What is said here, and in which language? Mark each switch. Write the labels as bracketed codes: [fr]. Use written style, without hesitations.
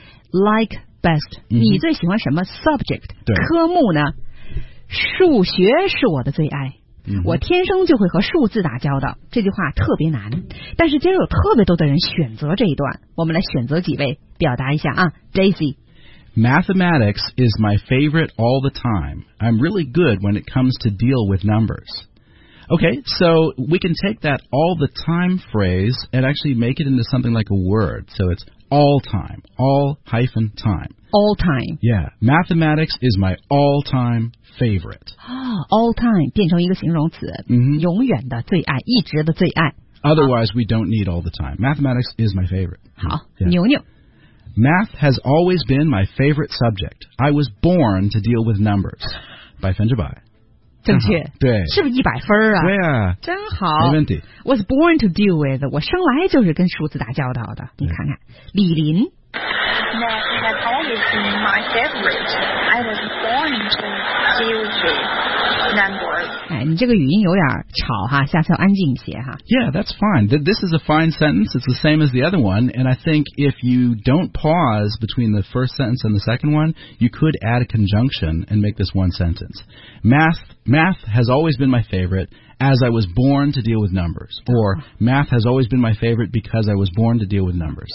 [en] Like best.、 [zh] Mm-hmm. 你最喜欢什么 subject? 对。科目呢？数学是我的最爱。 Mm-hmm. 我天生就会和数字打交道，这句话特别难，但是今儿有特别多的人选择这一段，我们来选择几位表达一下啊。 [en] Daisy: Mathematics is my favorite all the time. I'm really good when it comes to deal with numbers. Okay, so we can take that all the time phrase and actually make it into something like a word. So it's all time, all hyphen time. All time. Yeah, mathematics is my all timeFavorite. All time [zh] 变成一个形容词、 mm-hmm. 永远的最爱，一直的最爱。 [en] Otherwise we don't need all the time. Mathematics is my favorite. [zh] 好、 [en] yeah. [zh] 牛牛。 [en] Math has always been my favorite subject. I was born to deal with numbers. [zh] 百分之百正确、 uh-huh. 对，是不是一百分啊？对啊，真好，没问题。 [en] Was born to deal with. [zh] 我生来就是跟数字打交道的。你看看李林。 [en] Math has always been my favorite. I was born to deal with numbers. [zh] 哎，你这个语音有点吵哈，下次要安静一些哈。 [en] Yeah, that's fine. This is a fine sentence. It's the same as the other one. And I think if you don't pause between the first sentence and the second one, you could add a conjunction and make this one sentence. Math has always been my favorite. As I was born to deal with numbers. Or, math has always been my favorite because I was born to deal with numbers.